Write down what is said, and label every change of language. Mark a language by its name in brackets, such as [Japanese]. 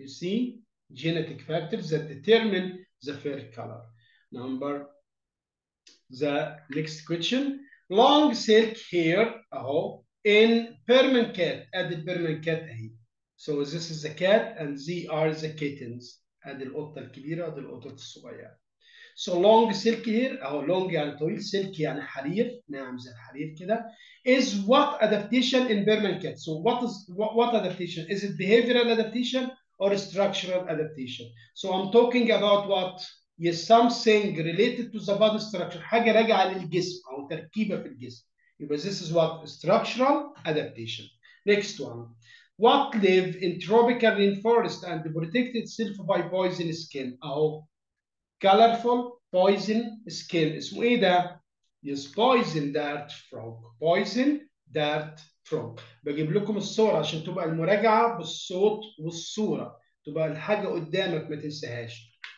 [English] you see genetic factors that determine the fair color. number the next question: long silk hair اهو in Burman cat at the Burman cat اهي. so this is the cat and these are the kittens. [Arabic] هذه القطة الكبيرة وهذه القطة الصغيرة. [English] So long silk hair [Arabic] أو long يعني طويل، silk يعني حرير، نعم زي الحرير كده. [English] is what adaptation in Burman cat. So what adaptation? Is it behavioral adaptation or structural adaptation? So I'm talking about what? Yes, something related to the body structure. [Arabic] حاجة راجعة للجسم أو تركيبة في الجسم. [English] يبقى this is what structural adaptation. next one: what live in tropical rainforest and protect itself by poison skin. اهو colorful poison skin [Arabic] اسمه ايه ده؟ [English] yes poison dart frog. [Arabic] poison dart frog. بجيب لكم الصوره عشان تبقى المراجعه بالصوت والصوره، تبقى الحاجه قدامك ما تنساهاش.